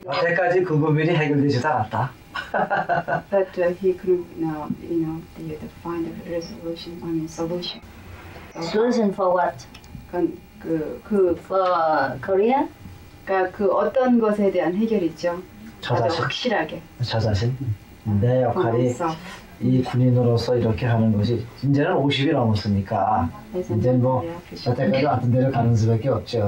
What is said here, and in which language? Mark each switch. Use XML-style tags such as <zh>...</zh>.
<ko>여태까지 그 고민이 해결되지 않았다.</ko> <en>But he couldn't now, you know, find a resolution, I mean, solution. Solution for what? For Korea?</en> <ko>그러니까 그 어떤 것에 대한 해결이죠. 저 자신. 확실하게. 저 자신. 내 역할이 이 군인으로서 이렇게 하는 것이 이제는 50이 넘었으니까 이제 뭐 여태까지 같은 데를 가는 수밖에 없죠.</ko>